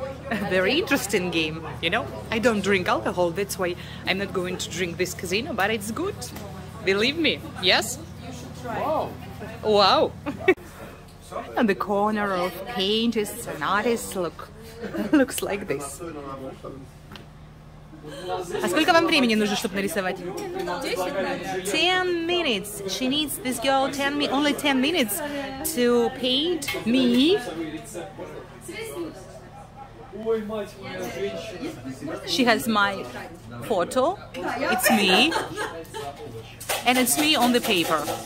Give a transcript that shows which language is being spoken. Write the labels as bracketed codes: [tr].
[en] A very interesting game, you know. I don't drink alcohol, that's why I'm not going to drink this casino, but it's good. Believe me, yes? You should try. Wow. And the corner of painters and artists looks like this. [ru] А сколько вам времени нужно, чтобы нарисовать? [en] 10 minutes. She needs this girl only 10 minutes to paint me. She has my photo, it's me, and it's me on the paper.